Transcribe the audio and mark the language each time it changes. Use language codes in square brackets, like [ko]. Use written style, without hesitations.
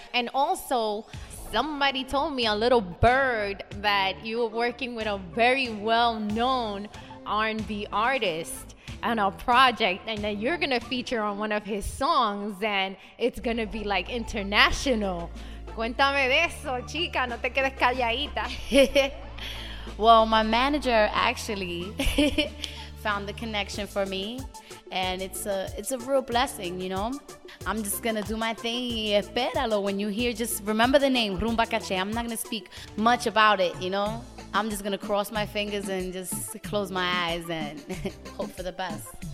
[en] And also, somebody told me, a little bird, that you were working with a very well-known R&B artist on a project, and then you're gonna feature on one of his songs, and it's gonna be like international. [es] Cuéntame de eso, chica, no te quedes calladita. [en] Well, my manager actually found the connection for me, and it's a real blessing, you know? I'm just gonna do my thing. [es] Esperalo, [en] when you hear, just remember the name, Rumba Caché. I'm not gonna speak much about it, you know? I'm just gonna cross my fingers and just close my eyes and hope for the best.